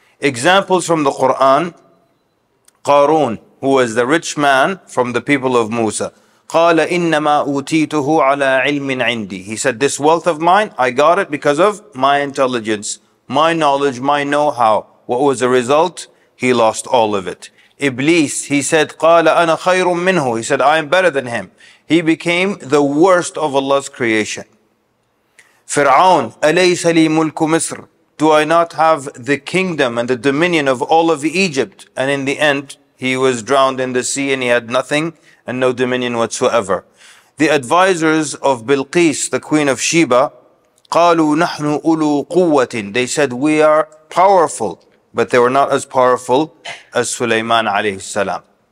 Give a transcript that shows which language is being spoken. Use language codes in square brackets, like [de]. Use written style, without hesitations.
[en] Examples from the Quran. Qarun, who was the rich man from the people of Musa. [ar] قَالَ إِنَّمَا أُوتِيتُهُ عَلَىٰ عِلْمٍ عِنْدِي. [en] He said, this wealth of mine, I got it because of my intelligence, my knowledge, my know-how. What was the result? He lost all of it. Iblis, he said, [ar] قَالَ أَنَا خَيْرٌ مِّنْهُ. [en] He said, I am better than him. He became the worst of Allah's creation. [ar] Fir'aun, أَلَيْسَ لِي مُلْكُ مِصْرٍ. [en] Do I not have the kingdom and the dominion of all of Egypt? And in the end, he was drowned in the sea and he had nothing and no dominion whatsoever. The advisors of Bilqis, the queen of Sheba, [ar] قالوا نحن أولو قوة. [en] They said, we are powerful, but they were not as powerful as Sulaiman alayhi salam.